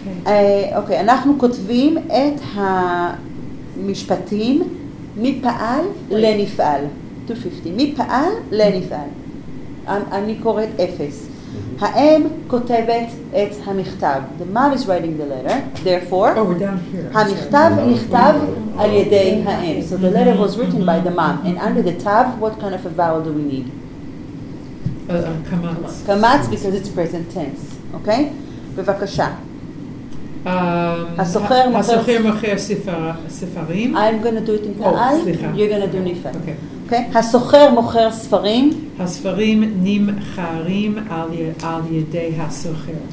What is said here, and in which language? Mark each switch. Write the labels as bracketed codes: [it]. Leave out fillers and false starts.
[en] Okay. [he] Anachnu kotvim et ha mishpatim mipaal lenifal. 250. מי פעל לנפעל. אני קוראת אפס. האם כותבת את המכתב. [en] The mom is writing the letter. Therefore, [he] המכתב נכתב על ידי האם. [en] So the letter was written by the mom. And under the tav, what kind of a vowel do we need? Kamatz. Kamatz, because it's present tense. Okay? בבקשה. [he] הסוחר מוכר ספרים. [en] I'm going to do it in פעל. You're going to do נפעל. Okay. [he] הסוחר מוכר ספרים. הספרים נמכרים על ידי הסוחר.